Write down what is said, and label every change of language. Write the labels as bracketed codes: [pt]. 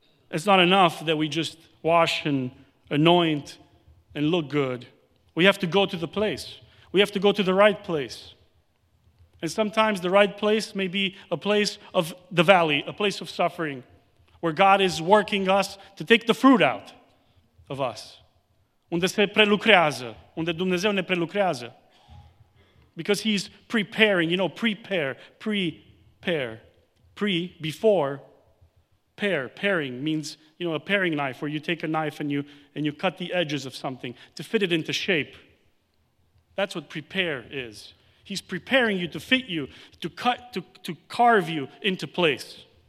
[en] It's not enough that we just wash and anoint and look good. We have to go to the place. We have to go to the right place. And sometimes the right place may be a place of the valley, a place of suffering, where God is working us to take the fruit out of us. [ro] Unde se prelucrează, unde Dumnezeu ne prelucrează. [en] Because he's preparing, you know, preparing means, you know, a paring knife where you take a knife and you cut the edges of something to fit it into shape. That's what prepare is. He's preparing you to fit you, to cut, to carve you into place.